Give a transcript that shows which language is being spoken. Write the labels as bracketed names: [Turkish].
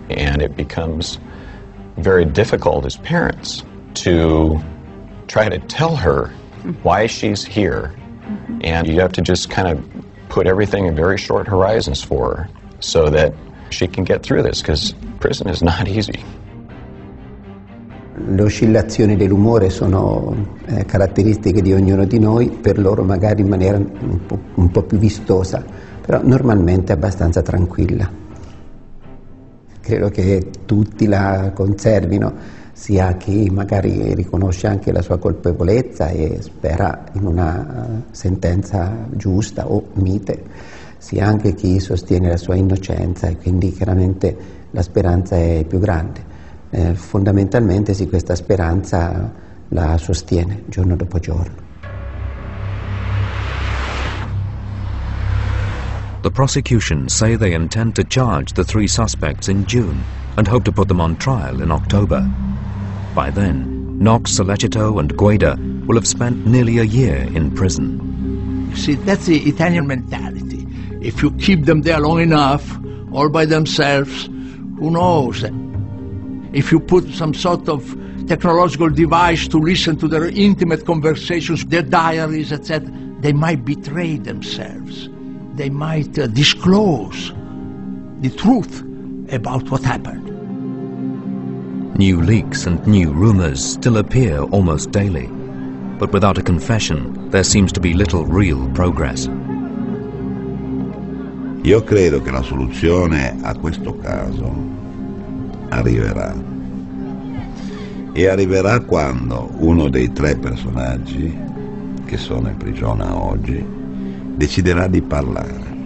[English] And it becomes very difficult as parents to try to tell her why she's here, and you have to just kind of put everything in very short horizons for her so that she can get through this, because prison is not easy. [Italian] Le oscillazioni dell'umore sono caratteristiche di ognuno di noi, per loro magari in maniera un po' più vistosa, però normalmente abbastanza tranquilla. Credo che tutti la conservino, sia chi magari riconosce anche la sua colpevolezza e spera in una sentenza giusta o mite, sia anche chi sostiene la sua innocenza, e quindi chiaramente la speranza è più grande. Fondamentalmente sì, questa speranza la sostiene giorno dopo giorno. [English] The prosecution say they intend to charge the three suspects in June and hope to put them on trial in October. By then, Knox, Salecito and Guida will have spent nearly a year in prison. See, that's the Italian mentality. If you keep them there long enough, all by themselves, who knows? If you put some sort of technological device to listen to their intimate conversations, their diaries, etc., they might betray themselves. They might disclose the truth about what happened. New leaks and new rumors still appear almost daily, but without a confession there seems to be little real progress. [Italian] Io credo che la soluzione a questo caso arriverà, e arriverà quando uno dei tre personaggi che sono in prigione oggi deciderà di parlare.